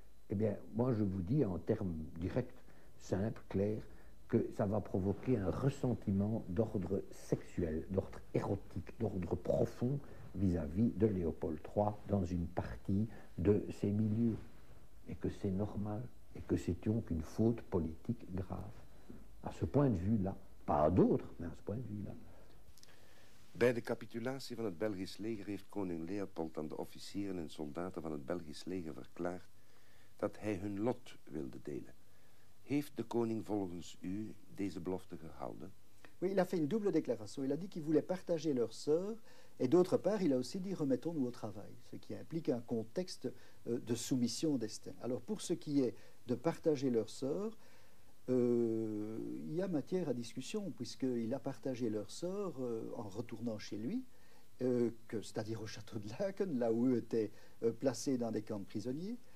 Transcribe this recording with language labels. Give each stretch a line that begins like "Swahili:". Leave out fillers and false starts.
French: Eh bien, moi je vous dis en termes directs, simple, clair, que ça va provoquer un ressentiment d'ordre sexuel, d'ordre érotique, d'ordre profond vis-à-vis de Léopold III dans une partie de ses milieux. Et que c'est normal, et que c'est donc une faute politique grave. À ce point de vue-là, pas à d'autres, mais à ce point de vue-là.
Dutch: Bij de capitulatie van het Belgisch leger heeft koning Leopold aan de officieren en soldaten van het Belgisch leger verklaard dat hij hun lot wilde delen. Heeft de koning volgens u deze belofte gehouden?
French: Oui, il a fait une double déclaration. Il a dit qu'il voulait partager leur sort, et d'autre part, il a aussi dit remettons-nous au travail, ce qui implique un contexte de soumission au destin. Alors, pour ce qui est de partager leur sort, il y a matière à discussion, puisqu'il a partagé leur sort en retournant chez lui, c'est-à-dire au château de Laeken, là où eux étaient placés dans des camps de prisonniers.